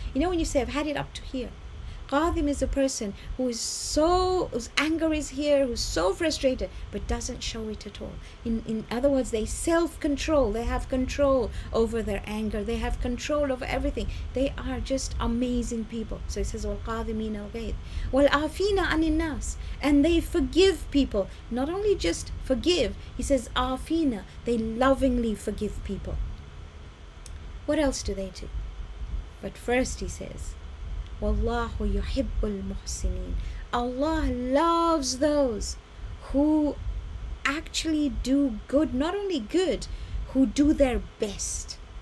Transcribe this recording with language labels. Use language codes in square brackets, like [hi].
[en] You know when you say, I've had it up to here? Qadhim is a person who is so, whose anger is here, who's so frustrated, but doesn't show it at all. In other words, they self-control, they have control over their anger, they have control over everything. They are just amazing people. [ar] So it says, وَالْقَادِمِينَ الْغَيْثِ وَالْعَافِينَ عَنِ النَّاسِ. [en] And they forgive people. Not only just forgive, he says, عَافِينَ, they lovingly forgive people. What else do they do? [ar] But first he says, وَاللَّهُ يُحِبُّ الْمُحْسِنِينَ. [en] Allah loves those who actually do good, not only good, who do their best.